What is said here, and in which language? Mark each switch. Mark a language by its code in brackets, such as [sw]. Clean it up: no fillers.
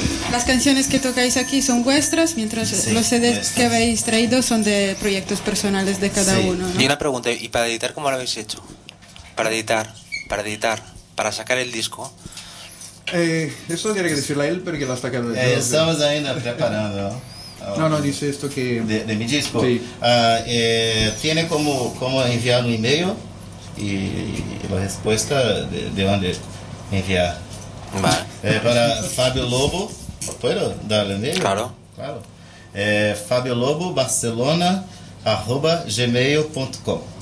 [es] Las canciones que tocáis aquí son vuestras, mientras sí, los CDs nuestras. Que habéis traído son de proyectos personales de cada uno, ¿no? Y una pregunta, ¿y para editar cómo lo habéis hecho? Para editar, para sacar el disco. Eso tiene que decirlo a él, porque lo ha sacado. [pt] Estamos ainda preparando. [es] No, dice esto que... De mi disco. Sí. Tiene como enviar un email y la respuesta de dónde enviar. Vale. Para Fabio Lobo. ¿Puedo darle en ello? Claro. Fabio Lobo, Barcelona @gmail.com.